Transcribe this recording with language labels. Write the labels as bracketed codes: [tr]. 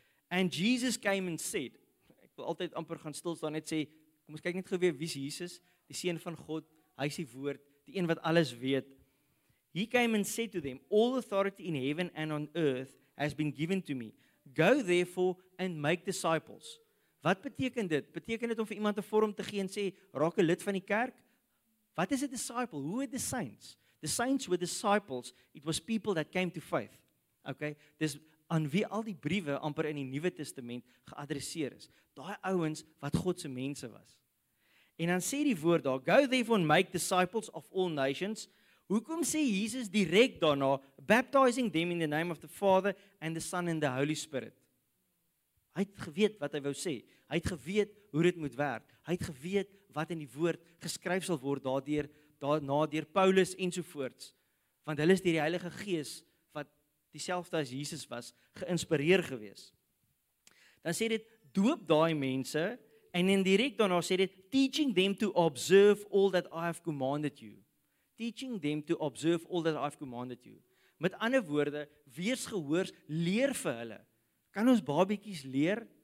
[en] And Jesus came and said, [af] ek wil altyd amper gaan stilstaan, net sê, kom ons kyk net gou weer, wie is Jesus? Die Seun van God, hy is die woord, die een wat alles weet. [en] He came and said to them, all authority in heaven and on earth has been given to me. Go therefore and make disciples. [af] Wat beteken dit? Beteken dit om vir iemand een vorm te gee en sê, raak een lid van die kerk? [en] Wat is a disciple? Who are the saints? The saints were disciples. It was people that came to faith. [af] Okay? Dis aan wie al die briewe amper in die Nuwe Testament geadresseer is. Daai ouens wat God se mense was. En dan sê die woord daar, [en] go therefore and make disciples of all nations. [af] Hoekom sê Jesus direct daarna, [en] baptizing them in the name of the Father and the Son and the Holy Spirit? [af] Hy het geweet wat hy wou sê. Hy het geweet hoe dit moet werk. Hy het geweet wat in die woord geskryf sal word daarna deur Paulus ensovoorts. Want hulle is die Heilige Gees wat dieselfde as Jesus was, geïnspireer gewees. Dan sê dit, doop daai mense en in direct daarna sê dit, [en] teaching them to observe all that I have commanded you. Teaching them to observe all that I've commanded you. [af] Met ander woorde, wees gehoors, leer vir hulle. Kan ons babiekies leer?